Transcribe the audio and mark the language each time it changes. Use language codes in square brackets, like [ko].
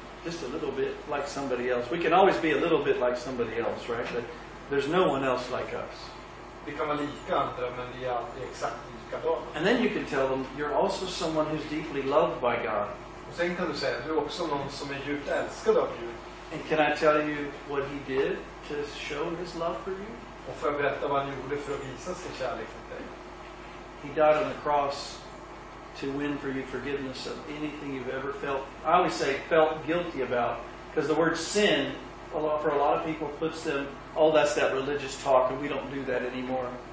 [en] Just a little bit like somebody else. We can always be a little bit like somebody else, right? But there's no one else like us. [sv] Vi kan vara lika andra, men vi är alltid exakt. [en] And then you can tell them you're also someone who's deeply loved by God. [sv] Och sen kan du säga du är också någon som är djupt älskad av Gud. [en] And can I tell you what he did to show his love for you? [sv] Och får jag berätta vad han gjorde för att visa sin kärlek för dig? [en] He died on the cross to win for you forgiveness of anything you've ever felt. I always say felt guilty about, because the word sin for a lot of people puts them, oh, that's that religious talk and we don't do that anymore.